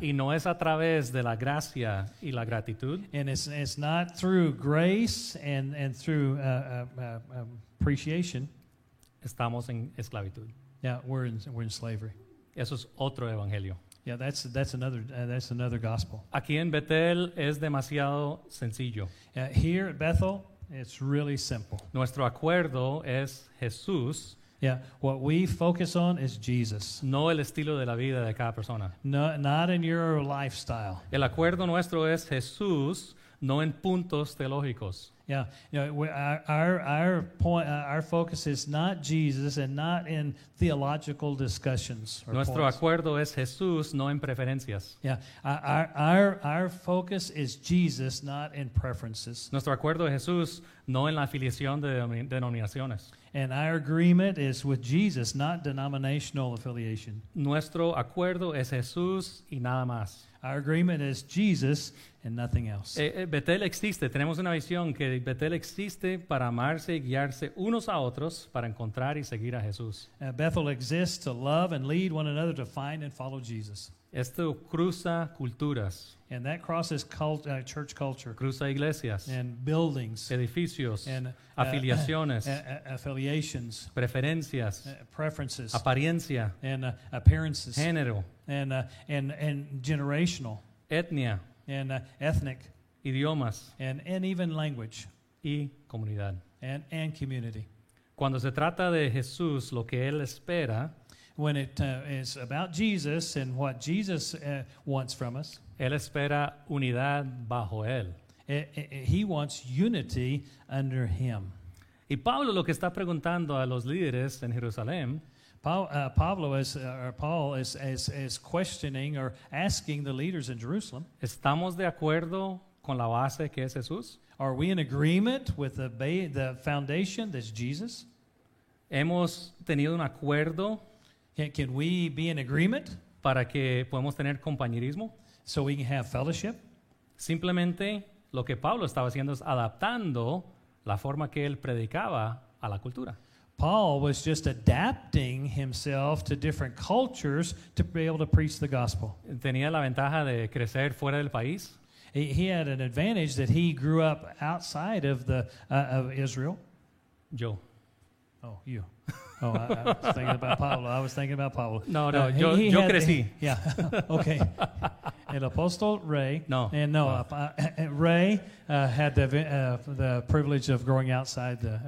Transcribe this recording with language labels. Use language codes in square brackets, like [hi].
[es] y no es a través de la gracia y la gratitud, [en] and it's not through grace and through appreciation, [es] estamos en esclavitud. [en] Yeah, we're in slavery. [es] Eso es otro evangelio. [en] Yeah, that's another gospel. [es] Aquí en Betel es demasiado sencillo. [en] Here at Bethel, it's really simple. [es] Nuestro acuerdo es Jesús. [en] Yeah, what we focus on is Jesus. [es] No el estilo de la vida de cada persona. [en] No, not in your lifestyle. [es] El acuerdo nuestro es Jesús, no en puntos teológicos. [en] Yeah, you know, our point, our focus is not Jesus and not in theological discussions. Or [es] nuestro [en] points. [es] Acuerdo es Jesús, no en preferencias. [en] Yeah, our focus is Jesus, not in preferences. [es] Nuestro acuerdo es Jesús, no en la afiliación de denominaciones. [en] And our agreement is with Jesus, not denominational affiliation. [es] Nuestro acuerdo es Jesús y nada más. [en] Our agreement is Jesus and nothing else. [es] Betel existe. Tenemos una visión que Betel existe para amarse y guiarse unos a otros para encontrar y seguir a Jesús. [en] Bethel exists to love and lead one another to find and follow Jesus. [es] Esto cruza culturas. [en] And that crosses church culture. [es] Cruza iglesias. [en] And buildings. [es] Edificios. [en] And [es] afiliaciones. [en] Affiliations. [es] Preferencias. [en] Preferences. [es] Apariencia. [en] And appearances. [es] Género. [en] And generational. [es] Etnia. [en] And ethnic. [es] Idiomas. [en] And even language. [es] Y comunidad. [en] And community. [es] Cuando se trata de Jesús, lo que él espera. [en] When it is about Jesus and what Jesus wants from us. [es] Él espera unidad bajo él. [en] He wants unity under him. [es] Y Pablo lo que está preguntando a los líderes en Jerusalén. [en] Paul is questioning or asking the leaders in Jerusalem. [es] ¿Estamos de acuerdo con la base que es Jesús? [en] Are we in agreement with the foundation that's Jesus? [es] ¿Hemos tenido un acuerdo? [en] Can we be in agreement? [es] ¿Para que podemos tener compañerismo? [en] So we can have fellowship. [es] Simplemente lo que Pablo estaba haciendo es adaptando la forma que él predicaba a la cultura. [en] Paul was just adapting himself to different cultures to be able to preach the gospel. [es] Tenía la ventaja de crecer fuera del país. [en] He had an advantage that he grew up outside of the of Israel. [es] Yo. [en] Oh, you. Oh, I was thinking about Pablo. [es] No, yo crecí. [en] Yeah, okay. [es] El apóstol Ray. No. [en] And no, Ray had the privilege of growing outside the.